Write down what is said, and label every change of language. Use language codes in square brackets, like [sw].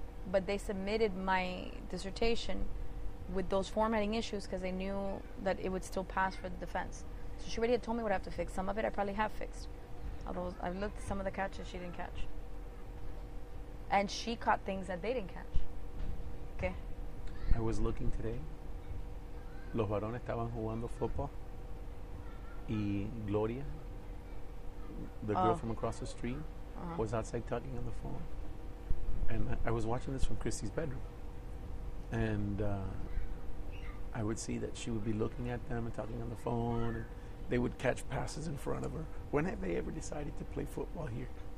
[en] But they submitted my dissertation with those formatting issues because they knew that it would still pass for the defense. So she already had told me what I have to fix. Some of it I probably have fixed. Although I've looked at some of the catches she didn't catch. And she caught things that they didn't catch. Okay. I was looking today. [es] Los varones estaban jugando football. [en] Y Gloria, the girl from across the street, was outside talking on the phone. And I was watching this from Christy's bedroom. And I would see that she would be looking at them and talking on the phone. And they would catch passes in front of her. When have they ever decided to play football here?